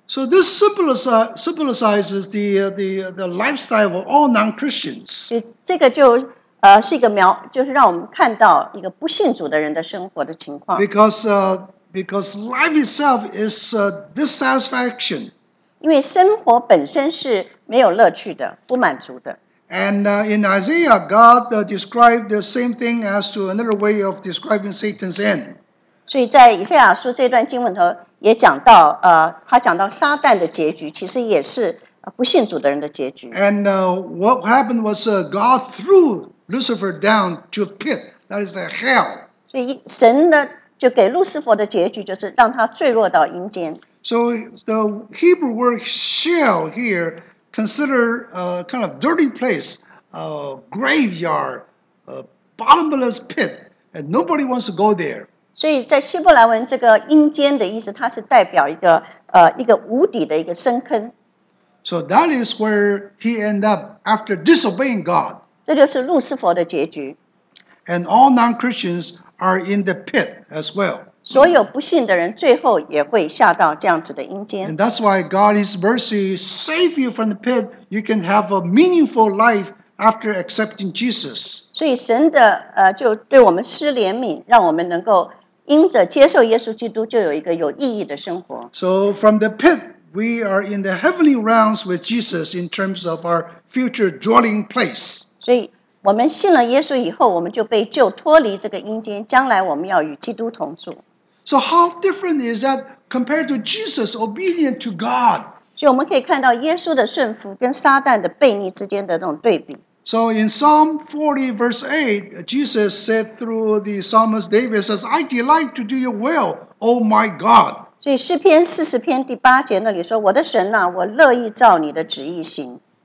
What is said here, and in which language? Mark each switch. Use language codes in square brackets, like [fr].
[en] So this symbolizes the lifestyle of all non-Christians. [zh] 这个就是一个描，就是让我们看到一个不信主的人的生活的情况。 [en] Because life itself is dissatisfaction. [zh] 因为生活本身是没有乐趣的，不满足的。 [en] And in Isaiah, God described the same thing as to another way of describing Satan's end. [zh] 所以在以赛亚书这段经文头也讲到，他讲到撒旦的结局，其实也是不信主的人的结局。 [en] And what happened was God threw Lucifer down to a pit, that is a hell. [zh] 所以神的就给路斯伯的结局就是让他坠落到阴间。 [en] So the Hebrew word "sheol" here consider a kind of dirty place, a graveyard, a bottomless pit, and nobody wants to go there. [zh] 所以在希伯来文这个阴间的意思，它是代表一个无底的一个深坑。 [en] So that is where he end up after disobeying God. [zh] 这就是路斯伯的结局。 [en] And all non-Christians are in the pit as well. [zh] 所有不信的人最后也会下到这样子的阴间。 [en] And that's why God His mercy save you from the pit. You can have a meaningful life after accepting Jesus. [zh] 所以神的就对我们施怜悯，让我们能够因着接受耶稣基督就有一个有意义的生活。 [en] So from the pit, we are in the heavenly realms with Jesus in terms of our future dwelling place. [zh] 所以我们信了耶稣以后，我们就被救脱离这个阴间，将来我们要与基督同住。 [en] So how different is that compared to Jesus obedient to God? [zh] 所以我们可以看到耶稣的顺服跟撒旦的悖逆之间的那种对比。 [en] So in Psalm 40 verse 8, Jesus said through the psalmist David says, I delight to do your will, O my God. [zh] 所以诗篇40篇第八节那里说，我的神啊，我乐意照你的旨意行。